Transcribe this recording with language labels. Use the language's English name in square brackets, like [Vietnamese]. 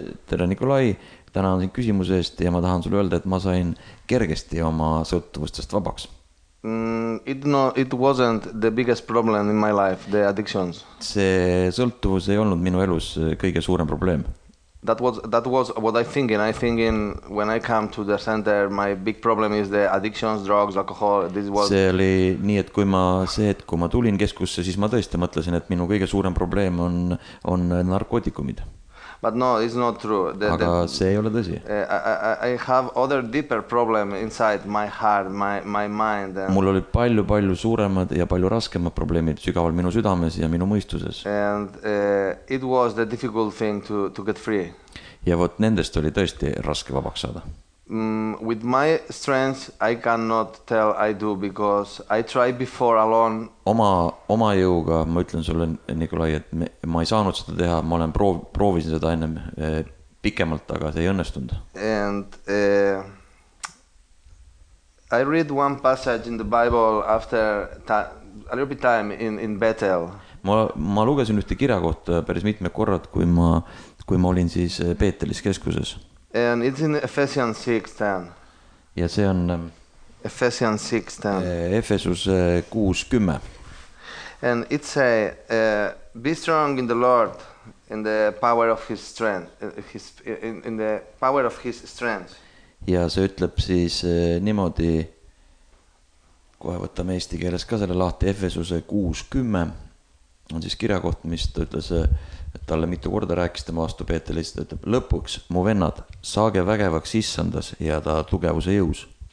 [Estonian] Tere, Nikolai, täna on siin küsimuse eest ja ma tahan sulle öelda, et ma sain kergesti oma sõltuvustest vabaks. [English] It wasn't the biggest problem in my life, the addictions. [Estonian] See sõltuvus ei olnud minu elus kõige suurem probleem. [English] That was what I thinking when I come to the center, my big problem is the addictions, drugs, alcohol. This was [Estonian] See oli nii, et kui ma tulin keskusse, siis ma tõesti mõtlesin, et minu kõige suurem probleem on narkootikumid. [English] But no, it's not true. [Estonian] Aga see ei ole tõsi. [English] I have other deeper problem inside my heart, my mind. [Estonian] Mul oli palju suuremad ja palju raskemad probleemid sügaval minu südames ja minu mõistuses. [English] And it was the difficult thing to get free. [Estonian] Ja võt nendest oli tõesti raske vabaks saada. [English] With my strength, I cannot tell I do because I tried before alone. [Estonian] Oma jõuga, ma ütlen sulle, Nikolai, et ma ei saanud seda teha, ma olen proovisin seda ennem pikemalt, aga see ei õnnestunud. [English] And I read one passage in the Bible after a little bit time in Bethel. [Estonian] Ma lugesin ühte kirjakoht päris mitme korrad, kui ma olin siis Peetelis keskuses. [English] And it's in Ephesians 6:10. [Estonian] Ja see on [English] Ephesians 6:10. [Estonian] Efesus 6:10. [English] And it say be strong in the Lord in the power of his strength in the power of his strength. [Estonian] Ja see ütleb siis niimoodi kohe võtame eesti keeles ka selle lahti Efesus 6:10 on siis kirjakoht, mis ta ütles talle mitu korda rääkis tema vastu Peetelis, et lõpuks mu vennad saage vägevaks issandas ja ta tugevuse jõus.